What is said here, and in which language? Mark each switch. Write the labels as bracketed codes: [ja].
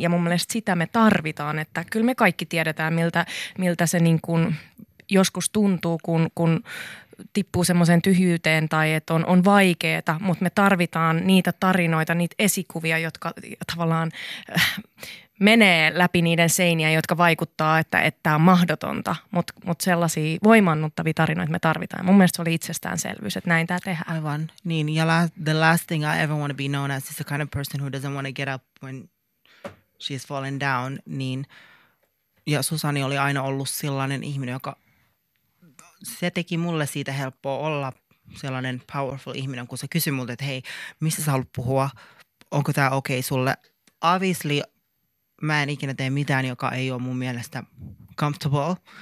[fi] Ja mun mielestä sitä me tarvitaan, että kyllä me kaikki tiedetään, miltä se niin kuin joskus tuntuu, kun tippuu semmoiseen tyhjyyteen tai että on vaikeeta, mutta me tarvitaan niitä tarinoita, niitä esikuvia, jotka tavallaan... menee läpi niiden seiniä, jotka vaikuttaa, että tämä on mahdotonta, mutta sellaisia voimannuttavia tarinoita me tarvitaan. Mun mielestä se oli itsestäänselvyys, että näin tämä tehdään. Aivan. [en] Niin, ja the last thing I ever want to be known as is the kind of person who doesn't want to get up when she has fallen down. [fi] Niin, ja Susani oli aina ollut sellainen ihminen, joka, se teki mulle siitä helppoa olla sellainen powerful ihminen, kun se kysyi multa, että hei, mistä sä haluat puhua? Onko tämä okei sulle? Obviously, mä en ikinä tee mitään, joka ei ole mun mielestä comfortable.